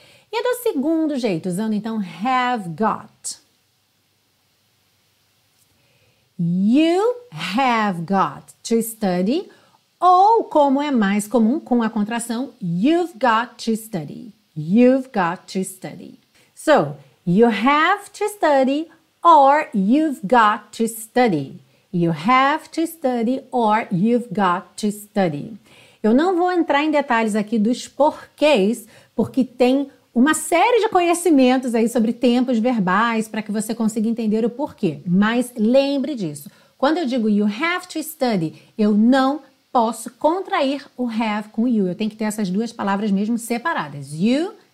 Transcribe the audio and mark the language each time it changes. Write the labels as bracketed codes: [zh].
[pt] E do segundo jeito, usando então have got. [en] You have got to study. [pt] Ou, como é mais comum com a contração, [en] you've got to study. You've got to study. So, you have to study or you've got to study. You have to study or you've got to study. [pt] Eu não vou entrar em detalhes aqui dos porquês, porque tem uma série de conhecimentos aí sobre tempos verbais para que você consiga entender o porquê. Mas lembre disso. Quando eu digo [en] you have to study, [pt] eu não posso contrair o have com you. Eu tenho que ter essas duas palavras mesmo separadas. You